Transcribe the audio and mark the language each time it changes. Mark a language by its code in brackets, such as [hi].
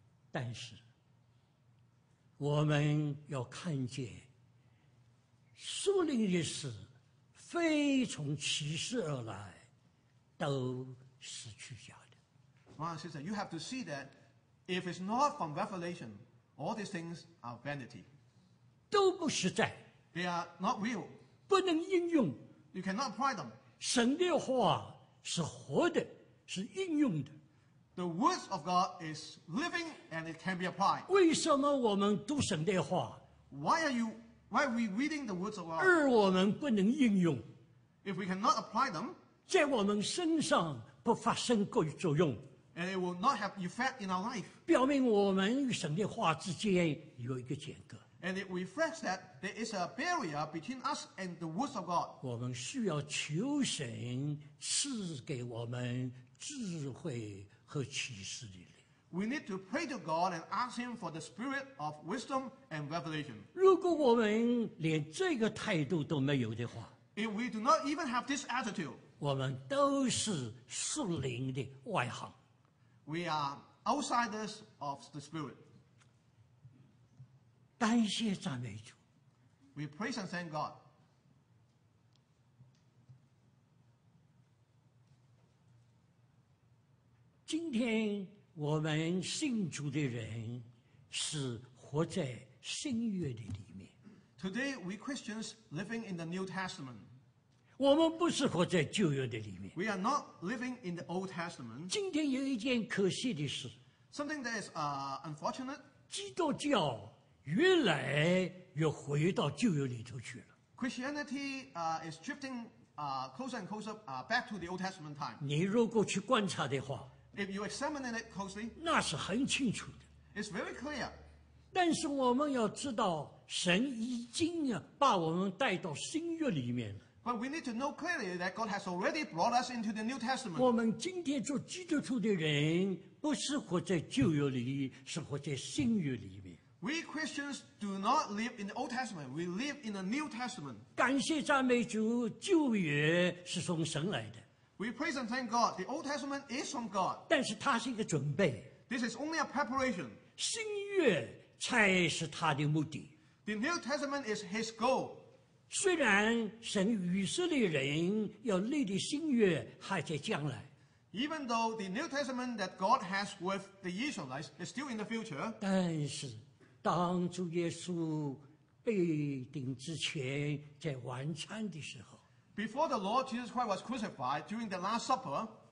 [zh] 但是我们要看见属灵的事非从启示而来，都是虚假的。 [en] Well, sister, you have to see that if it's not from revelation, all these things are vanity. [zh] 都不实在。 [en] They are not real. [zh] 不能应用。 [en] You cannot apply them. [zh] 神的话是活的，是应用的。 [en] The words of God is living and it can be applied. [zh] 为什么我们读神的话？ [en] Why are we reading the words of God? [zh] 而我们不能应用。 [en] If we cannot apply them, [zh] 在我们身上不发生过作用。 [en] And it will not have effect in our life. [zh] 表明我们与神的话之间有一个间隔。 [en] And it reflects that there is a barrier between us and the words of God. [zh] 我们需要求神赐给我们智慧和启示的灵。 [en] We need to pray to God and ask Him for the spirit of wisdom and revelation. [zh] 如果我们连这个态度都没有的话， [en] If we do not even have this attitude, [zh] 我们都是属灵的外行。 [en] We are outsiders of the spirit. [zh] 感谢赞美主。 [en] We praise and thank God. [zh] 今天我们信主的人是活在新约的里面。 [en] Today we Christians living in the New Testament. [zh] 我们不是活在旧约的里面。 [en] We are not living in the Old Testament. [zh] 今天有一件可惜的事。 [en] Something that is unfortunate. [zh] 基督教越来越回到旧约里头去了。 [en] Christianity is drifting closer and closer back to the Old Testament time. [zh] 你如果去观察的话， [en] If you examine it closely, [zh] 那是很清楚的。 [en] It's very clear. [zh] 但是我们要知道，神已经把我们带到新约里面了。 [en] But we need to know clearly that God has already brought us into the New Testament. [zh] 我们今天做基督徒的人，不是活在旧约里，是活在新约里面。 [en] We Christians do not live in the Old Testament. We live in the New Testament. [zh] 感谢赞美主，旧约是从神来的。 [en] We praise and thank God. The Old Testament is from God. [zh] 但是它是一个准备。 [en] This is only a preparation. [zh] 新约才是他的目的。 [en] The New Testament is his goal. [zh] 虽然神与以色列人要立的新约还在将来。 [en] Even though the New Testament that God has with the Israelites is still in the future. [zh] 但是当主耶稣被钉之前，在晚餐的时候 [en] ，Before the Lord Jesus Christ was crucified during the Last Supper，